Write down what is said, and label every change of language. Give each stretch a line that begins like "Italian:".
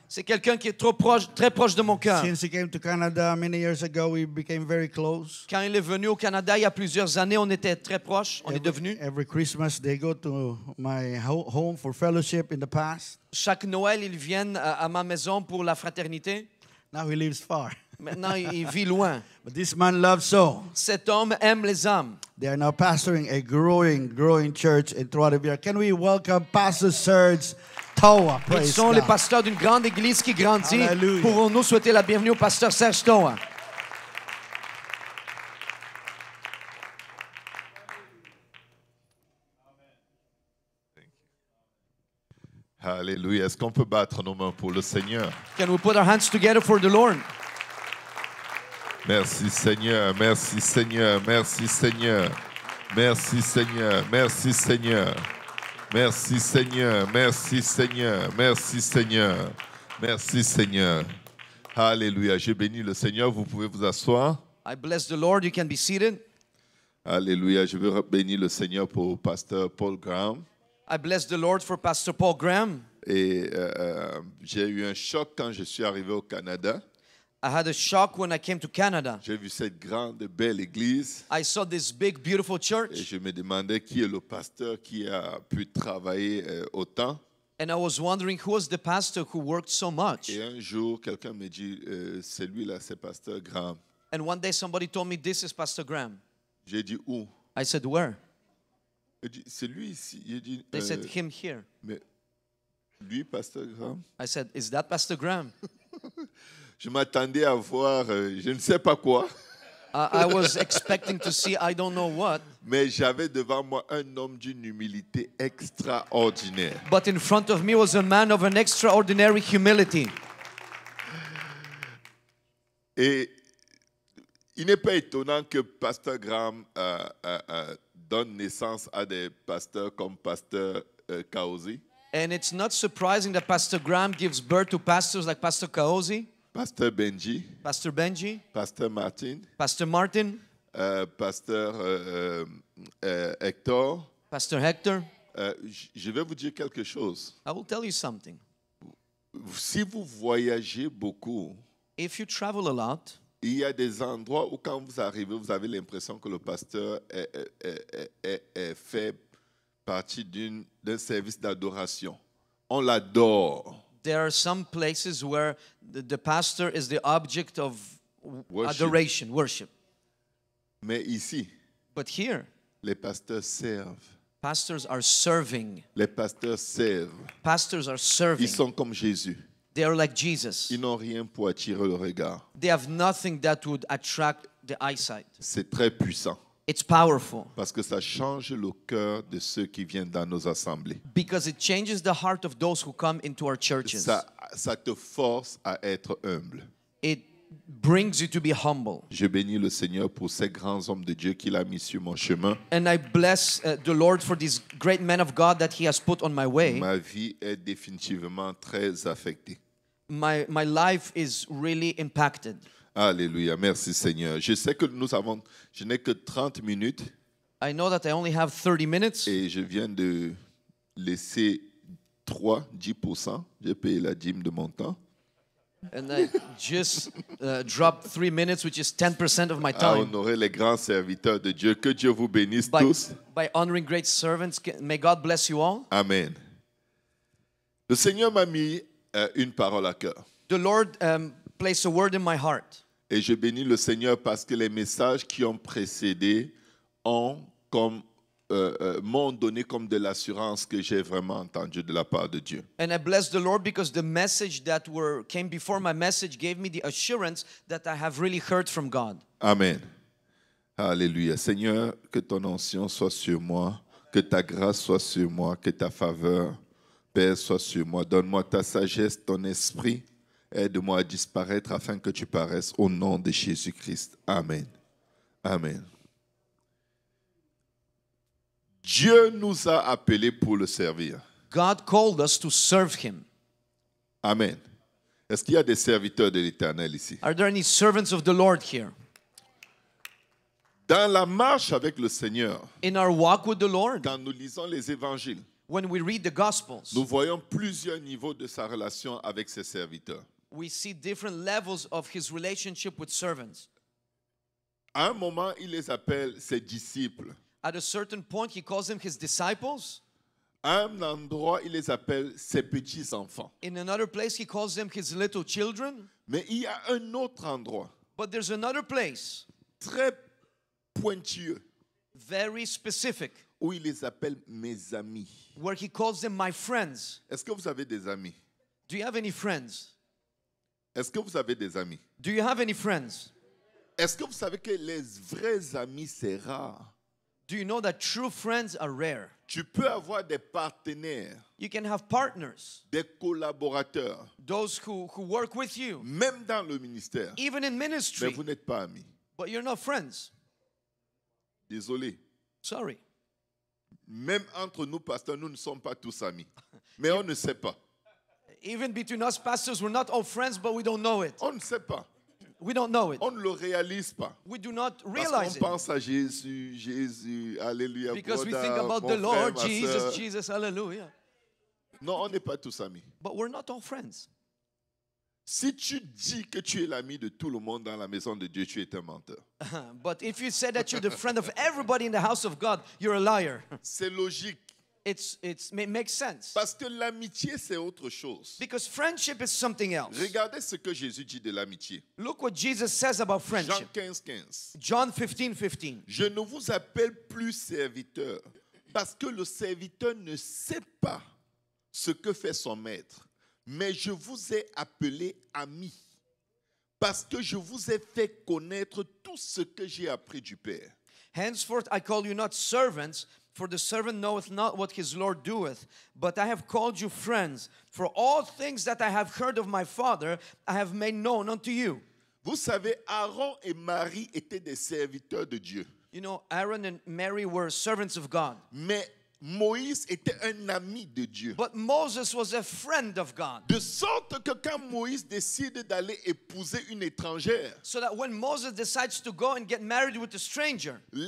French: C'est quelqu'un qui est trop proche, très proche de mon cœur.
English: Since he came to Canada many years ago, we became very close.
French: Quand il est venu au Canada il y a plusieurs années, on était très proches. On est devenu.
English: Every Christmas they go to my home for fellowship in the past.
French: Chaque Noël, ils viennent à ma maison pour la fraternité.
English: Now he lives far.
French: Maintenant, il vit loin.
English: But this man loves souls.
French: Cet homme aime les âmes.
English: They are now pastoring a growing church in Towa. Can we welcome Pastor Serge Towa? Praise God.
French: Ils sont les pasteurs d'une grande église qui grandit. Hallelujah. Pourrons-nous souhaiter la bienvenue au pasteur Serge Towa? Hallelujah. Est-ce qu'on peut battre nos mains pour le Seigneur?
English: Can we put our hands together for the Lord?
French: Merci Seigneur, merci Seigneur, merci Seigneur, merci Seigneur, merci Seigneur, merci Seigneur, merci Seigneur, merci Seigneur, merci Seigneur. Alléluia, j'ai béni le Seigneur, vous pouvez vous asseoir.
English: I bless the Lord, you can be seated.
French: Alléluia, je veux bénir le Seigneur pour Pasteur Paul Graham.
English: I bless the Lord for Pastor Paul Graham.
French: Et j'ai eu un choc quand je suis arrivé au Canada.
English: I had a shock when I came to Canada.
French: J'ai vu cette grande, belle église.
English: I saw this big, beautiful church.
French: Et je me demandais qui est le pasteur qui a pu travailler autant.
English: And I was wondering who was the pastor who worked so much.
French: Et un jour, quelqu'un me dit, c'est lui là, c'est Pasteur Graham.
English: And one day somebody told me, this is Pastor Graham.
French: J'ai dit, où?
English: I said, where?
French: Il dit, c'est lui ici. Il dit,
English: they said, him here.
French: Mais lui, Pasteur Graham?
English: I said, is that Pastor Graham?
French: Je m'attendais à voir, je ne sais pas quoi.
English: I was expecting to see, I don't know what.
French: Mais j'avais devant moi un homme d'une humilité extraordinaire.
English: But in front of me was a man of an extraordinary humility.
French: Et il n'est pas étonnant que Pasteur Graham donne naissance à des pasteurs comme Pasteur Kaozi.
English: And it's not surprising that Pastor Graham gives birth to pastors like Pastor Kaozi.
French: Pasteur Benji.
English: Pastor Benji.
French: Pasteur Martin.
English: Pastor Martin.
French: Pasteur Hector.
English: Pastor Hector.
French: Je vais vous dire quelque chose.
English: I will tell you something.
French: Si vous voyagez beaucoup,
English: if you travel a lot,
French: il y a des endroits où quand vous arrivez, vous avez l'impression que le pasteur est fait partie d'un service d'adoration. On l'adore.
English: There are some places where the pastor is the object of worship. Adoration, worship.
French: Mais ici,
English: but here,
French: les pasteurs servent.
English: Pastors are serving.
French: Les pasteurs servent.
English: Pastors are serving.
French: Ils sont comme Jésus.
English: They are like Jesus.
French: Ils n'ont rien pour attirer le regard.
English: They have nothing that would attract the eyesight.
French: C'est très puissant.
English: It's powerful.
French: Parce que ça change le cœur de ceux qui viennent dans nos assemblées.
English: Because it changes the heart of those who come into our churches.
French: Ça te force à être humble.
English: It brings you to be humble.
French: Je bénis le Seigneur pour ces grands hommes de Dieu qu'il a mis sur mon chemin.
English: And I bless the Lord for these great men of God that he has put on my way.
French: Ma vie est définitivement très affectée.
English: My life is really impacted.
French: Alléluia, merci Seigneur. Je sais que nous avons, je n'ai que 30 minutes.
English: I know that I only have 30 minutes.
French: Et je viens de laisser 10%. J'ai payé la dîme de mon temps.
English: And I just dropped 3 minutes, which is 10% of my time.
French: À honorer les grands serviteurs de Dieu. Que Dieu vous bénisse tous.
English: By honoring great servants, may God bless you all. Amen.
French: Le Seigneur m'a mis une parole à cœur.
English: The Lord place a word in my heart.
French: Et je bénis le Seigneur parce que les messages qui ont précédé m'ont donné comme de l'assurance que j'ai vraiment entendu de la part de Dieu.
English: And I bless the Lord because the message that came before my message gave me the assurance that I have really heard from God.
French: Amen. Alléluia. Seigneur, que ton onction soit sur moi, que ta grâce soit sur moi, que ta faveur, Père, soit sur moi. Donne-moi ta sagesse, ton esprit. Aide-moi à disparaître afin que tu paraisses au nom de Jésus-Christ. Amen. Amen. Dieu nous a appelés pour le servir.
English: God called us to serve him. Amen.
French: Est-ce qu'il y a des serviteurs de l'Éternel ici?
English: Are there any servants of the Lord here?
French: Dans la marche avec le Seigneur,
English: in our walk with the Lord,
French: quand nous lisons les évangiles,
English: when we read the Gospels,
French: nous voyons plusieurs niveaux de sa relation avec ses serviteurs.
English: We see different levels of his relationship with servants.
French: À un moment, il les appelle ses disciples.
English: At a certain point, he calls them his disciples.
French: À un endroit, il les appelle ses petits-enfants.
English: In another place, he calls them his little children.
French: Mais il y a un autre endroit.
English: But there's another place.
French: Très pointueux.
English: Very specific.
French: Où il les appelle mes amis.
English: Where he calls them my friends.
French: Est-ce que vous avez des amis?
English: Do you have any friends?
French: Est-ce que vous avez des amis?
English: Do you have any friends?
French: Est-ce que vous savez que les vrais amis, c'est rare?
English: Do you know that true friends are rare?
French: Tu peux avoir des partenaires.
English: You can have partners.
French: Des collaborateurs.
English: Those who work with you.
French: Même dans le ministère.
English: Even in ministry.
French: Mais vous n'êtes pas amis.
English: But you're not friends.
French: Désolé.
English: Sorry.
French: Même entre nous, pasteurs, nous ne sommes pas tous amis. Mais on ne sait pas.
English: Even between us, pastors, we're not all friends, but we don't know it.
French: On ne sait pas.
English: We don't know it.
French: On ne le réalise pas.
English: We do not realize it.
French: Parce qu'on pense
English: it.
French: À Jésus, Jésus, alléluia.
English: Because brother, we think about the
French: frère,
English: Lord, Jesus, Jesus, alléluia.
French: Non, on n'est pas tous amis.
English: But we're not all friends.
French: Si tu dis que tu es l'ami de tout le monde dans la maison de Dieu, tu es un menteur.
English: But if you say that you're the friend of everybody in the house of God, you're a liar.
French: C'est logique.
English: It makes sense.
French: Parce que l'amitié, c'est autre chose.
English: Because friendship is something else.
French: Regardez ce que Jésus dit de l'amitié.
English: Look what Jesus says about friendship. John 15:15.
French: Je ne vous appelle plus serviteur, parce que le serviteur ne sait pas ce que fait son maître. Mais je vous ai appelé ami, parce que je vous ai fait connaître tout ce que j'ai appris du Père.
English: Henceforth, I call you not servants, for the servant knoweth not what his Lord doeth. But I have called you friends, for all things that I have heard of my Father, I have made known unto you.
French: Vous savez, Aaron et Marie étaient des serviteurs de Dieu.
English: You know, Aaron and Mary were servants of God.
French: Mais Moïse était un ami de Dieu.
English: But Moses was a friend of God.
French: De sorte que quand Moïse décide d'aller épouser une étrangère,
English: so that when Moses decides to go and get married with a stranger,